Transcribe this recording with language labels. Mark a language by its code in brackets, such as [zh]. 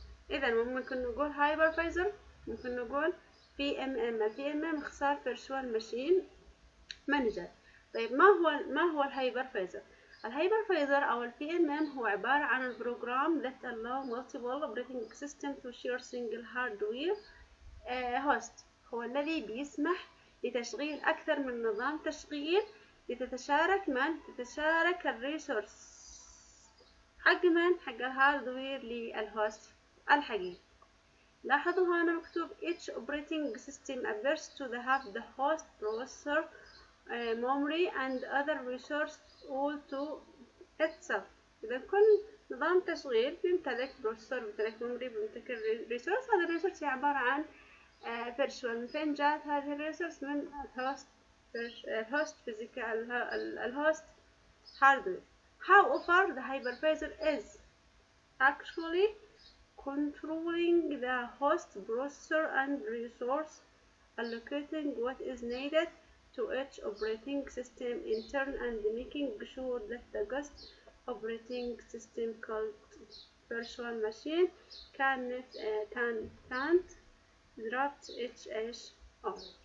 [ar] إذا ممكن نقول Hypervisor، ممكن نقول PMM. PMM اختصار Virtual Machine Manager. طيب ما هو الهايبرفايزر؟ الهايبرفايزر أو PMM هو عبارة عن البروجرام [en] that allow multiple operating system to share single hardware host، [ar] هو الذي بيسمح لتشغيل أكثر من نظام تشغيل لتتشارك من؟ تتشارك الريسورس حق من؟ حق الهاردوير للهوست الحقيقي. لاحظوا هنا مكتوب [en] each operating system appears to have the host processor memory and other resources all to itself. [ar] إذا كل نظام تشغيل بيمتلك بروسيسور، بيمتلك ميموري، بيمتلك ريسورس. هذا الريسورس هي عبارة عن فيرشوال. من فين جاءت هذه الريسورس؟ من الهوست. الهوست فيزيكال، الهوست هاردوير. [en] How far the hypervisor is actually controlling the host processor and resource, allocating what is needed to each operating system in turn, and making sure that the guest operating system called virtual machine can't draft each edge off.